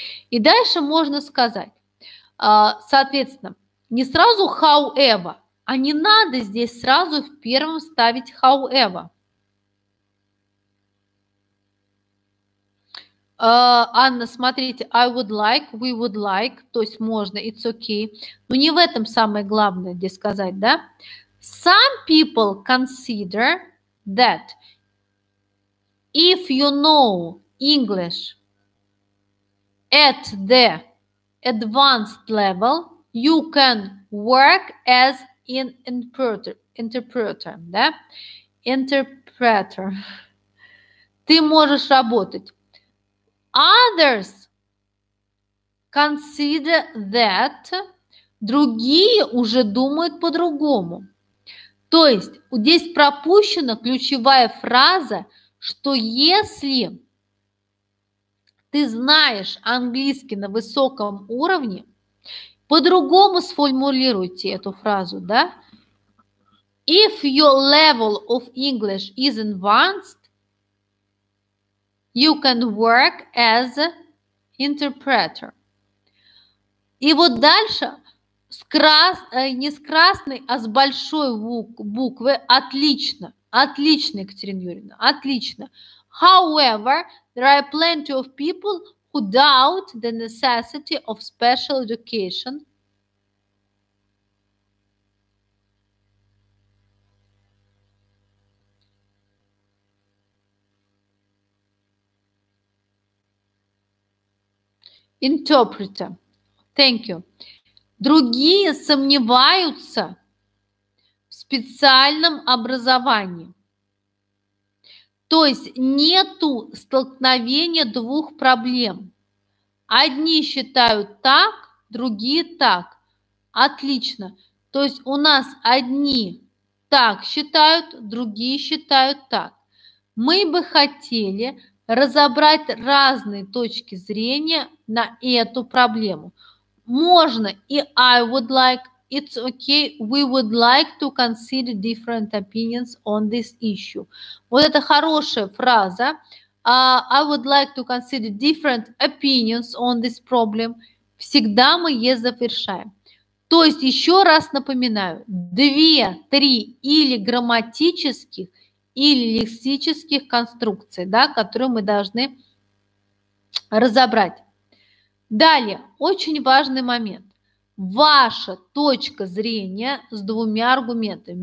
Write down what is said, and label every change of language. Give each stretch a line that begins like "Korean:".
Russian: И дальше можно сказать, соответственно, не сразу however, а не надо здесь сразу в первом ставить however.
English: Анна,
Russian: смотрите,
English: I would like, we would like,
Russian: то есть можно,
English: it's okay.
Russian: Но не в этом самое главное, где сказать, да?
English: Some people consider that if you know English at the advanced level, you can work as an interpreter,
Russian: да? Interpreter. Ты можешь работать.
English: Others consider that,
Russian: другие уже думают по-другому. То есть здесь пропущена ключевая фраза, что если ты знаешь английский на высоком уровне, по-другому сформулируйте эту фразу, да?
English: If your level of English is advanced, you can work as interpreter.
Russian: И вот дальше с большой буквы отлично. Отлично, Екатерина Юрьевна, отлично.
English: However, there are plenty of people who doubt the necessity of special education. Interpreter. Thank you.
Russian: Другие сомневаются в специальном образовании. То есть нету столкновения двух проблем. Одни считают так, другие так. Отлично. То есть у нас одни так считают, другие считают так. Мы бы хотели разобрать разные точки зрения на эту проблему. Можно и
English: I would like, it's okay, we would like to consider different opinions on this issue.
Russian: Вот это хорошая фраза.
English: I would like to consider different opinions on this problem.
Russian: Всегда мы е завершаем. То есть, еще раз напоминаю, две, три или грамматических, или лексических конструкций, да, которые мы должны разобрать. Далее, очень важный момент. Ваша точка зрения с двумя аргументами.